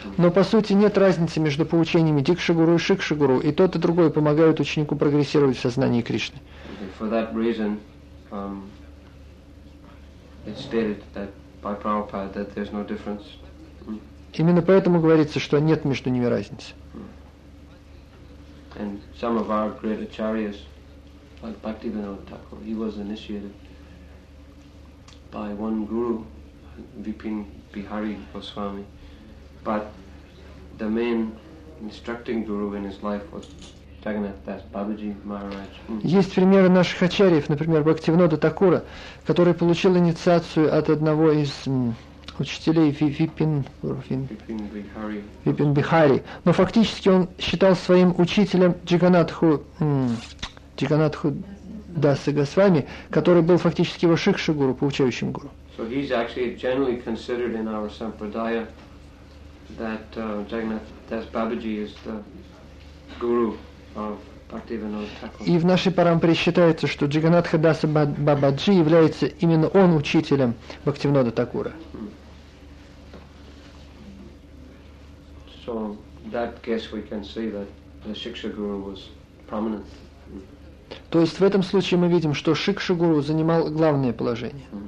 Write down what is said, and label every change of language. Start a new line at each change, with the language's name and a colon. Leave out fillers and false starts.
Russian: Но по сути нет разницы между поучениями дикши гуру и шикши гуру, и тот и другой помогают ученику прогрессировать в сознании Кришны.
English: For that reason, it's stated that by Prabhupada that there's no difference.
Russian: Именно поэтому говорится, что нет между ними разницы.
English: And some of our great acharyas, like Bhaktivinoda Thakur, he was initiated by one guru, Vipin Bihari Goswami, but the main instructing guru in his life was Jagannath Das Babaji Maharaj.
Russian: Есть примеры наших ачарьев, например, Бхактивинода Такура, который получил инициацию от одного из учителей Випин Бихари. Но фактически он считал своим учителем Джиганатху Даса Госвами, который был фактически его шикши гуру, получающим гуру.
English: So he's actually generally considered in our sampradaya that Jagannath Das Babaji is the guru of Bhaktivinoda Thakur.
Russian: И в нашей парампаре считается, что Джиганатха Даса Бабаджи является именно он учителем Бхактивинода Такура.
English: So that guess we can see that the shiksha guru was prominent.
Russian: То есть в этом случае мы видим, что шикша гуру занимал главное положение.